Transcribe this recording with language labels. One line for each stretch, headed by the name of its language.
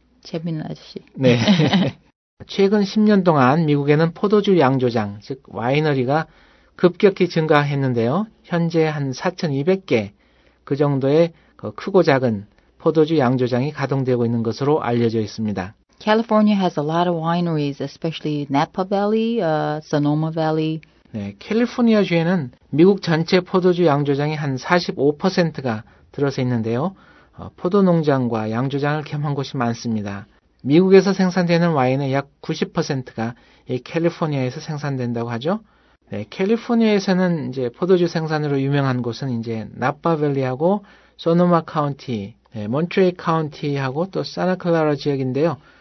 Korean: 재밌는 아저씨. 네. 최근 10년 동안 미국에는 포도주 양조장, 즉 와이너리가 급격히 증가했는데요. 현재 한 4,200개 그 정도의 크고 작은 포도주 양조장이 가동되고 있는 것으로 알려져 있습니다.
English: California has a lot of wineries, especially Napa Valley, Sonoma Valley.
Korean: 네, 캘리포니아 주에는 미국 전체 포도주 양조장의 한 45%가 들어서 있는데요. 포도 농장과 양조장을 겸한 곳이 많습니다. 미국에서 생산되는 와인의 약 90%가 이 캘리포니아에서 생산된다고 하죠. 네, 캘리포니아에서는 이제 포도주 생산으로 유명한 곳은 이제 나파밸리하고 소노마 카운티, 네, 몬트레이 카운티하고 또 산타클라라 지역인데요.